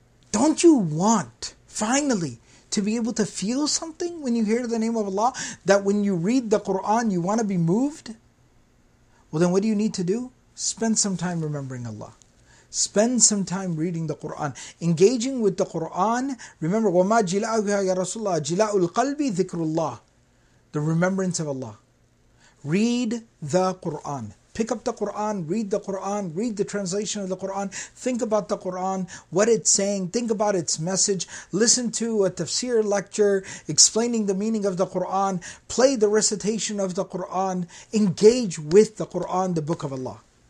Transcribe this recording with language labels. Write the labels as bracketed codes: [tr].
[en] Don't you want, finally, to be able to feel something when you hear the name of Allah? That when you read the Quran, you want to be moved? Well then what do you need to do? Spend some time remembering Allah. Spend some time reading the Quran. Engaging with the Quran. Remember, [ar] وَمَا جِلَاءُهَا يَا رَسُولَ اللَّهِ جِلَاءُ الْقَلْبِ ذِكْرُ اللَّهِ. [en] The remembrance of Allah. Read the Quran. Pick up the Quran, read the Quran, read the translation of the Quran, think about the Quran, what it's saying, think about its message, listen to a tafsir lecture explaining the meaning of the Quran, play the recitation of the Quran, engage with the Quran, the Book of Allah.